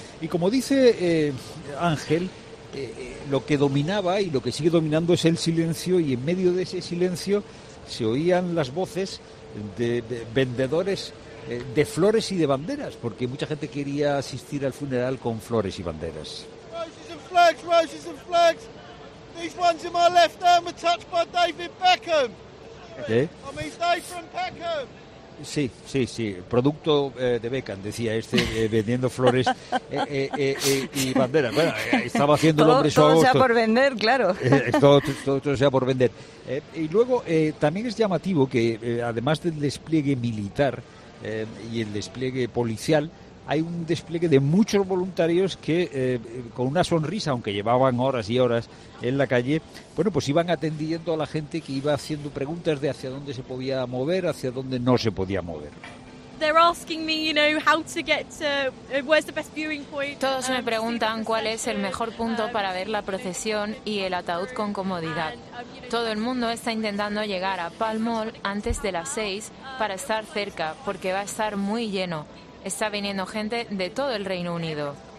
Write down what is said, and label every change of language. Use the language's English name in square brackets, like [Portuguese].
[Spanish] Y como dice Ángel, lo que dominaba y lo que sigue dominando es el silencio, y en medio de ese silencio se oían las voces de vendedores de flores y de banderas, porque mucha gente quería asistir al funeral con flores y banderas. [English] Roses and flags, roses and flags. These ones in my left arm are touched by David Beckham. [Spanish] ¿Qué? [English] I mean, they're from Beckham. [Spanish] Sí, sí, sí. Producto de Beckham, decía este, vendiendo flores y banderas. Bueno, estaba haciendo el hombre su agosto. Todo sea por vender, claro. Todo sea por vender. Y luego, también es llamativo que, además del despliegue militar y el despliegue policial, hay un despliegue de muchos voluntarios que, con una sonrisa, aunque llevaban horas y horas en la calle, bueno, pues iban atendiendo a la gente que iba haciendo preguntas de hacia dónde se podía mover, hacia dónde no se podía mover. [English] They're asking me, you know, how to get to, where's the best viewing point. [Spanish] Todos me preguntan cuál es el mejor punto para ver la procesión y el ataúd con comodidad. Todo el mundo está intentando llegar a Pall Mall antes de las 6 para estar cerca, porque va a estar muy lleno. Está viniendo gente de todo el Reino Unido.